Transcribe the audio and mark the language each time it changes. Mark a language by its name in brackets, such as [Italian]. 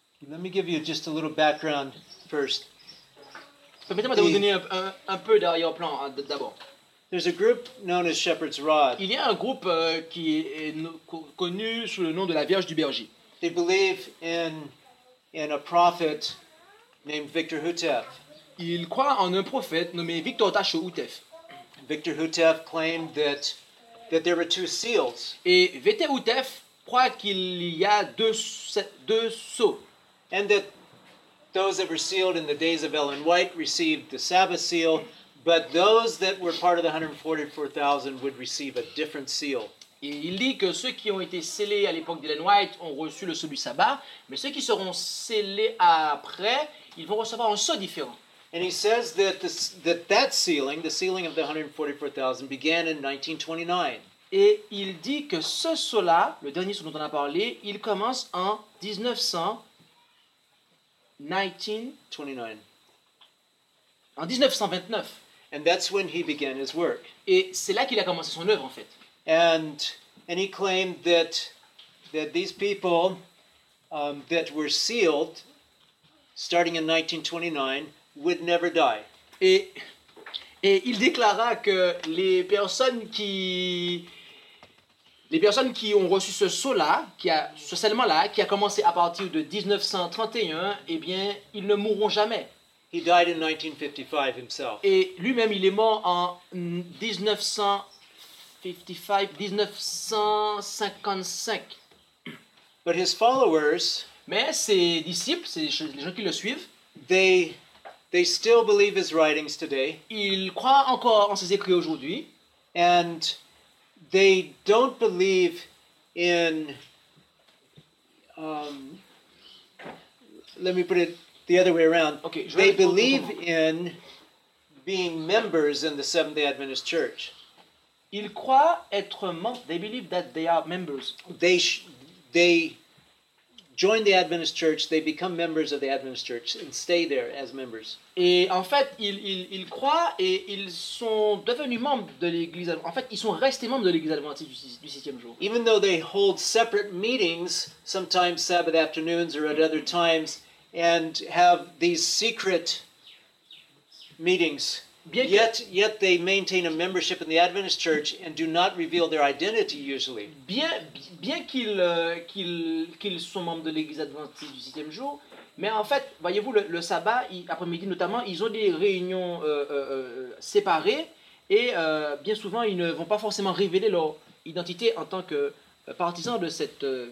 [English] Let me give you just a little background first. [French] Permettez-moi de vous donner un peu d'arrière-plan d'abord. [English] There's a group known as Shepherd's Rod. [French] Il y a un groupe qui est connu sous le nom de la Vierge du Berger. [English] They believe in a prophet named Victor Hutef. [French] Ils croient en un prophète nommé Victor Tacho Hutef. [English] Victor Hutef claimed that there were two seals. [French] Et Victor Hutef croit qu'il y a deux sceaux. [English] And that those that were sealed in the days of Ellen White received the Sabbath seal, but those that were part of the 144,000 would receive a different seal. [French] Et il dit que ceux qui ont été scellés à l'époque d'Ellen White ont reçu le sceau du sabbat, mais ceux qui seront scellés après, ils vont recevoir un sceau différent. [English] And he says that that sealing, the sealing of the 144,000, began in 1929. [French] Et il dit que ce sceau-là, le dernier sceau dont on a parlé, il commence en 1929. [English] And that's when he began his work. [French] Et c'est là qu'il a commencé son œuvre en fait. [English] And he claimed that these people that were sealed starting in 1929 would never die. [French] Et il déclara que les personnes qui ont reçu ce sceau-là, ce scellement-là, qui a commencé à partir de 1931, eh bien, ils ne mourront jamais. [English] He died in 1955 himself. [French] Et lui-même, il est mort en 1955. [English] But his followers, [French] mais ses disciples, c'est les gens qui le suivent, [English] they still believe his writings today. [French] Ils croient encore en ses écrits aujourd'hui. [English] And they don't believe in, let me put it the other way around. Okay, they believe in being members in the Seventh-day Adventist Church. [French] Ils croient être membres. [English] They believe that they are members. They join the Adventist Church. They become members of the Adventist Church and stay there as members. [French] Et en fait, ils croient et ils sont devenus membres de l'Église. En fait, ils sont restés membres de l'Église Adventiste du septième jour. [English] Even though they hold separate meetings, sometimes Sabbath afternoons or at other times, and have these secret meetings. Yet they maintain a membership in the Adventist Church and do not reveal their identity usually. [French] Bien qu'ils soient membres de l'Église Adventiste du Septième Jour, mais en fait, voyez-vous, le sabbat, après-midi notamment, ils ont des réunions séparées et bien souvent, ils ne vont pas forcément révéler leur identité en tant que partisans de cette.